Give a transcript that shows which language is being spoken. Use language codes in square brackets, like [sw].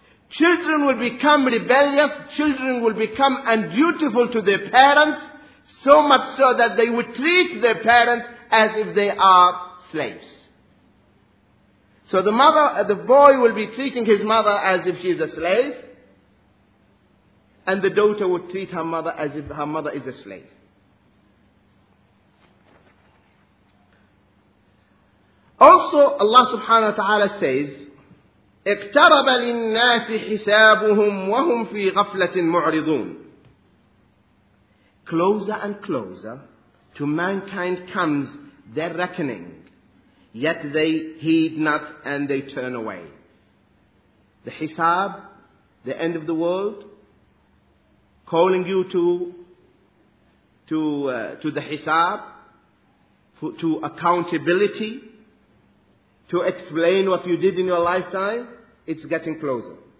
[en] Children will become rebellious, children will become undutiful to their parents, so much so that they will treat their parents as if they are slaves. So the boy will be treating his mother as if she is a slave, and the daughter would treat her mother as if her mother is a slave. Also, Allah subhanahu wa ta'ala says, [ar] اقترب للناس حسابهم وهم في غفلة معرضون. [en] Closer and closer to mankind comes their reckoning, yet they heed not and they turn away. The hisab, the end of the world, calling you to the hisab, to accountability, to explain what you did in your lifetime, it's getting closer.